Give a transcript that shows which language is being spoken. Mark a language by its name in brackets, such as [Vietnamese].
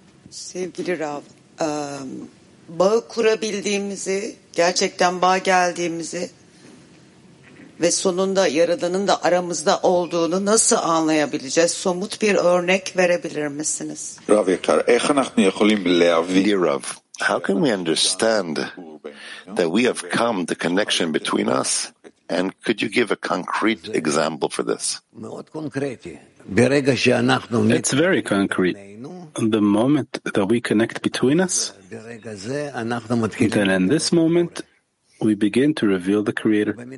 [Turkish] Sevgili Rav, bağı kurabildiğimizi, gerçekten bağ geldiğimizi ve sonunda Yaradan'ın da aramızda olduğunu nasıl anlayabileceğiz? Somut bir örnek verebilir misiniz? [Hebrew] Rav Yekar, איך אנחנו יכולים להבין? [English] Dear Rav, how can we understand that we have come, the connection between us? And could you give a concrete example for this? It's very concrete. The moment that we connect between us, then in this moment, we begin to reveal the Creator.